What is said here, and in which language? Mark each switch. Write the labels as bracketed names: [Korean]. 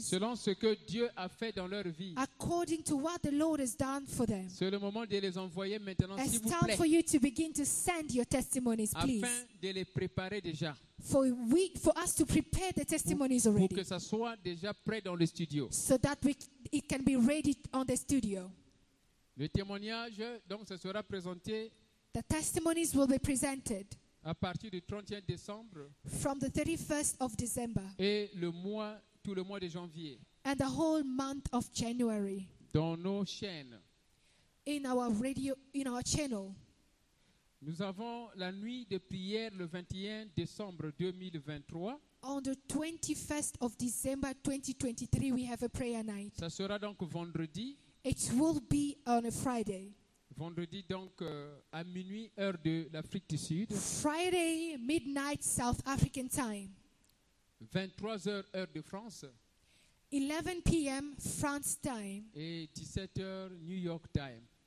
[French] Selon ce que Dieu a fait dans leur vie. [English] According to what the Lord has done for them. [French] C'est le moment de les envoyer maintenant, s'il vous plaît. [English] It's time for you to begin to send your testimonies, please. [French] Afin de les préparer déjà. [English] For us to prepare the testimonies already. [French] Pour que ça soit déjà prêt dans le studio. [English] So that it can be ready on the studio. [French] Le témoignage, donc, ça sera présenté. [English] The testimonies will be presented. [French] À partir du 31 décembre. [English] From the 31st of December. [French] Et le mois, tout le mois de janvier. [English] And the whole month of January. [French] Dans nos chaînes. [English] In our radio, in our channel. [French] Nous avons la nuit de prière le 21 décembre 2023. [English] On the 21st of December 2023, we have a prayer night. [French] Ça sera donc vendredi. [English] It will be on a Friday. [French] Vendredi donc à minuit heure de l'Afrique du Sud. [English] Friday midnight South African time. [French] 23h heure de France. [English] 11 p.m. France time. [French] Et 17h New York time.